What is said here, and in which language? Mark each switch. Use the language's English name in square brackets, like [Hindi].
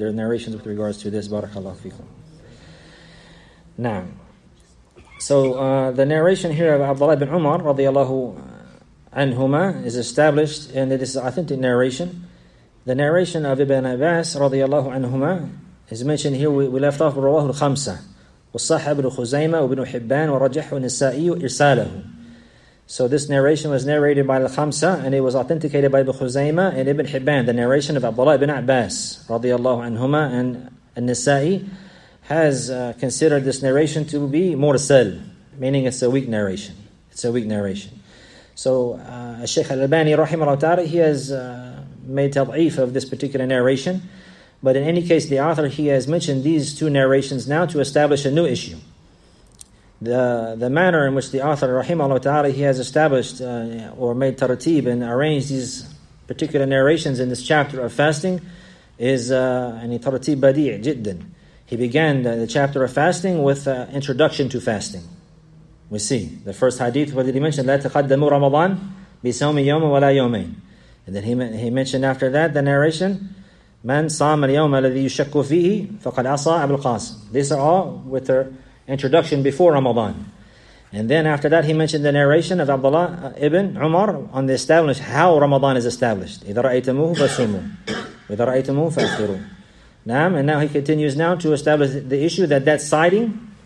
[English] There are narrations with regards to this. Barakallahu fikum. Nam. So the narration here of Abdullah ibn Umar, radiallahu anhuma, is established, and it is authentic narration. The narration of Ibn Abbas radiallahu anhuma is mentioned here. We left off with Rawahul Khamsa. [Arabic] وصح ابن خزيمة وابن حبان ورجح النسائي إرساله. [English] So this narration was narrated by Al-Khamsa, and it was authenticated by Ibn Khuzayma and Ibn Hibban. The narration of Abdullah ibn Abbas radiallahu anhuma and Al-Nisa'i has considered this narration to be mursal, meaning it's a weak narration. It's a weak narration. So, Shaykh al-Albani, rahimahullah ta'ala, he has made ta'if of this particular narration. But in any case, the author, he has mentioned these two narrations now to establish a new issue. The manner in which the author, rahimahullah ta'ala, he has established or made tartib and arranged these particular narrations in this chapter of fasting is tartib badi' jiddan. He began the chapter of fasting with introduction to fasting. We see the first hadith. What did he mention? [Arabic] لا تقدموا رمضان بصوم يوم ولا يومين. [English] And then he mentioned after that the narration, [Arabic] من صام اليوم الذي يشك فيه فقد عصى أبو القاسم. [English] These are all with their introduction before Ramadan. And then after that he mentioned the narration of Abdullah ibn Umar on the established how Ramadan is established. [Arabic] إذا رأيتموه فصوموا وإذا رأيتموه فأفطروا. نعم. [English] And now he continues now to establish the issue that sighting.